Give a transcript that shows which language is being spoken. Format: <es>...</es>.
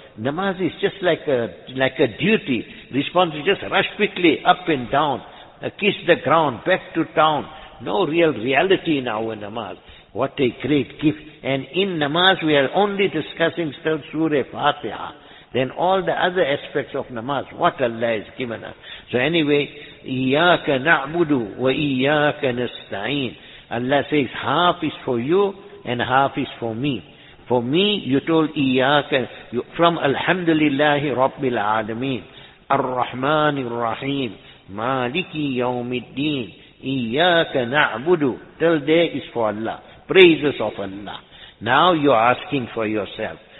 <en>Namaz is just like a duty. Response, just rush quickly up and down. Kiss the ground, back to town. No real reality in our namaz. What a great gift. And in namaz, we are only discussing still Surah Fatiha. Then all the other aspects of namaz, what Allah has given us. So anyway,</en> <ar>إِيَّاكَ نَعْبُدُ وَإِيَّاكَ نَسْتَعِينَ.</ar> <en>Allah says, half is for you and half is for me. For me, you told</en> <ar>إِيَّاكَ, from Alhamdulillahi Rabbil Alameen, الرَّحْمَنِ الرَّحِيمِ مَالِكِ يَوْمِ الدِّينِ إِيَّاكَ نَعْبُدُ.</ar> <en>Till there is for Allah. Praises of Allah. Now you are asking for yourself.</en>